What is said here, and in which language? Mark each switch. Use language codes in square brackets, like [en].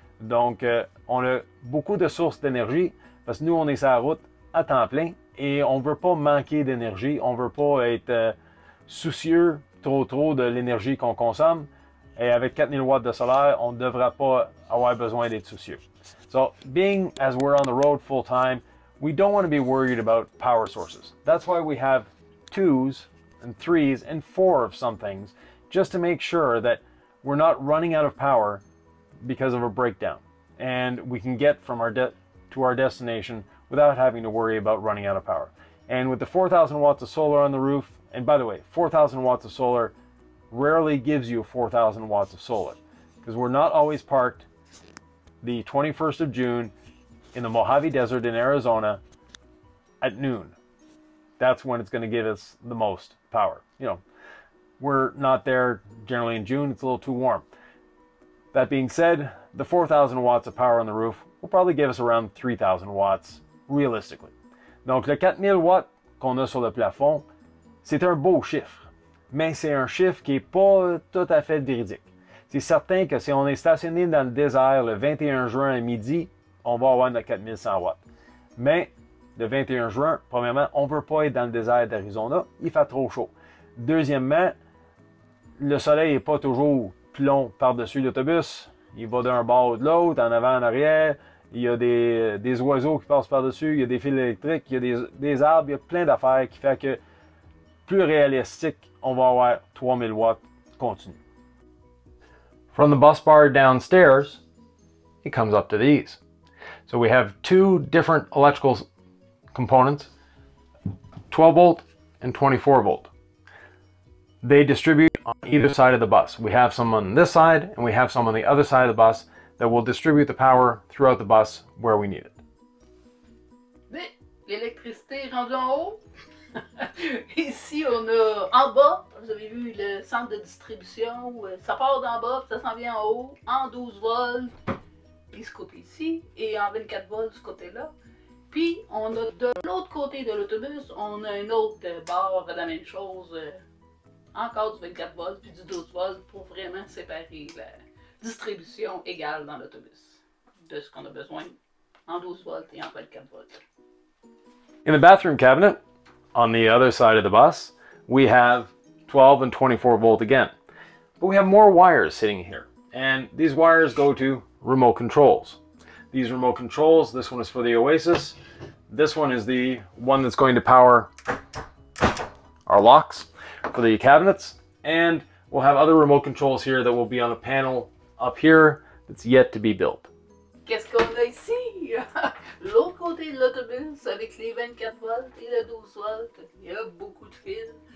[fr] Donc, on a beaucoup de sources d'énergie parce que nous, on est sur la route à temps plein et on ne veut pas manquer d'énergie, on ne veut pas être soucieux trop de l'énergie qu'on consomme. Et avec 4000 watts de solaire, on ne devrait pas avoir besoin d'être soucieux. [en] So, being as we're on the road full time, we don't want to be worried about power sources. That's why we have twos and threes and four of some things, just to make sure that we're not running out of power because of a breakdown. And we can get from our destination without having to worry about running out of power. And with the 4,000 watts of solar on the roof, and by the way, 4,000 watts of solar rarely gives you 4,000 watts of solar, because we're not always parked the 21st of June in the Mojave Desert in Arizona at noon. That's when it's going to give us the most power. You know, we're not there generally in June. It's a little too warm. That being said, the 4,000 watts of power on the roof will probably give us around 3,000 watts, realistically. [fr] Donc, le 4,000 watts qu'on a sur le plafond, c'est un beau chiffre. Mais c'est un chiffre qui n'est pas tout à fait véridique. C'est certain que si on est stationné dans le désert le 21 juin à midi, on va avoir notre 4100 watts. Mais le 21 juin, premièrement, on ne veut pas être dans le désert d'Arizona, il fait trop chaud. Deuxièmement, le soleil n'est pas toujours plomb par-dessus l'autobus. Il va d'un bord ou de l'autre, en avant, en arrière. Il y a des oiseaux qui passent par-dessus, il y a des fils électriques, il y a des arbres, il y a plein d'affaires qui font que plus réalistique, on va avoir 3000 watts continu. [en] From the bus bar downstairs, it comes up to these. So we have two different electrical components, 12 volt and 24 volt. They distribute on either side of the bus. We have some on this side and we have some on the other side of the bus that will distribute the power throughout the bus where we need it. [fr] Mais l'électricité est rendue en haut. Ici, on a en bas, vous avez vu le centre de distribution, ça part d'en bas, ça s'en vient en haut, en 12 volts, et ce côté ici, et en 24 volts, ce côté-là. Puis, on a de l'autre côté de l'autobus, on a un autre barre, la même chose, encore du 24 volts, puis du 12 volts, pour vraiment séparer la distribution égale dans l'autobus de ce qu'on a besoin en 12 volts et en 24 volts. [en] In the bathroom cabinet, on the other side of the bus, we have 12 and 24 volt again. But we have more wires sitting here. And these wires go to remote controls. These remote controls, this one is for the Oasis. This one is the one that's going to power our locks for the cabinets. And we'll have other remote controls here that will be on a panel up here that's yet to be built. [fr] Qu'est-ce qu'on a ici? L'autre côté de l'autobus avec les 24 volts et le 12 volts, il y a beaucoup de fils.